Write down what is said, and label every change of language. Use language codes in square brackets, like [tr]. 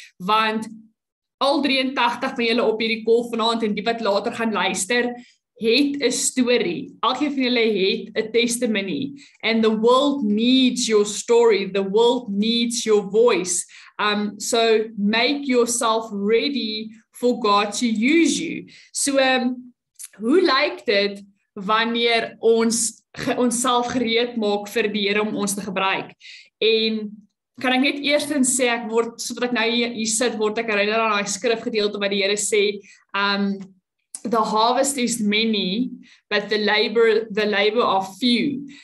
[af] Want al 83 van julle op hierdie call vanaand en die wat later gaan luister, het 'n story. Elkeen van julle het 'n testimony. [en] And the world needs your story. The world needs your voice. So make yourself ready for God to use you. [af] So hoe lyk dit wanneer ons onsself gereed maak vir die Here om ons te gebruik? En kan ek net eerstens sê ek word sodat ek nou hier sit word ek herinner aan daai skrifgedeelte wat die Here sê [en] the harvest is many but the labor are few.